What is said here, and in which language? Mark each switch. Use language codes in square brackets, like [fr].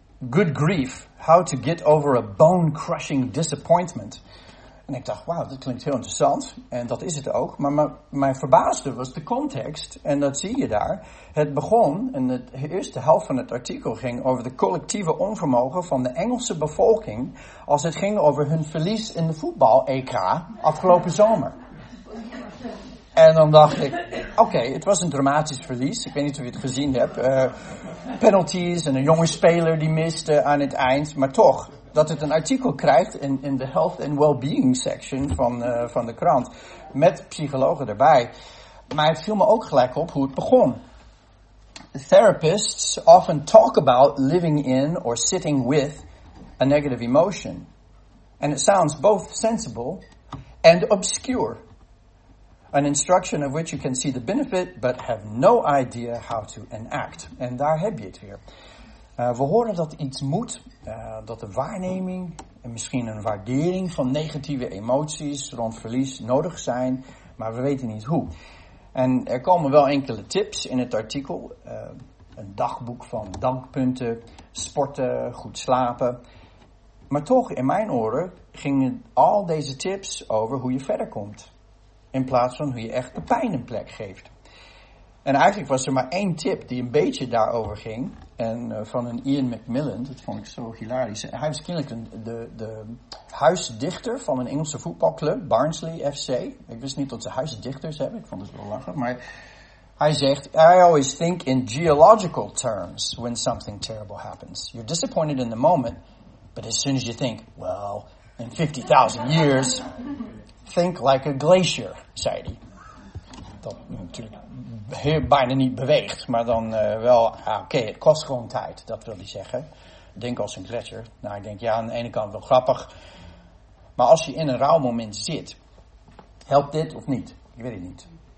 [en] Good grief, how to get over a bone-crushing disappointment. [nl] En ik dacht, wauw, dat klinkt heel interessant. En dat is het ook. Maar mijn verbaasde was de context. En dat zie je daar. Het begon, en de eerste helft van het artikel ging over de collectieve onvermogen van de Engelse bevolking als het ging over hun verlies in de voetbal-EK afgelopen zomer. En dan dacht ik, oké, het was een dramatisch verlies. Ik weet niet of je het gezien hebt. Penalties en een jonge speler die miste aan het eind. Maar toch, dat het een artikel krijgt in de [en] health and well-being section [nl] van de krant. Met psychologen erbij. Maar het viel me ook gelijk op hoe het begon. [en] Therapists often talk about living in or sitting with a negative emotion. And it sounds both sensible and obscure. An instruction of which you can see the benefit, but have no idea how to enact. [nl] En daar heb je het weer. We horen dat iets moet, dat de waarneming en misschien een waardering van negatieve emoties rond verlies nodig zijn, maar we weten niet hoe. En er komen wel enkele tips in het artikel. Een dagboek van dankpunten, sporten, goed slapen. Maar toch, in mijn oren, gingen al deze tips over hoe je verder komt. In plaats van hoe je echt de pijn een plek geeft. En eigenlijk was er maar één tip die een beetje daarover ging. En van een Ian McMillan, dat vond ik zo hilarisch. Hij was kennelijk de huisdichter van een Engelse voetbalclub, Barnsley FC. Ik wist niet dat ze huisdichters hebben, ik vond het wel lachen. Maar hij zegt, [en] I always think in geological terms when something terrible happens. You're disappointed in the moment, but as soon as you think, well, in 50,000 years... Think like a glacier, [nl] zei hij. Dat natuurlijk heel, bijna niet beweegt, maar dan wel, oké, het kost gewoon tijd, dat wil hij zeggen. Denk als een glacier. Nou, ik denk, ja, aan de ene kant wel grappig. Maar als je in een rouwmoment zit, helpt dit of niet? Ik weet het niet.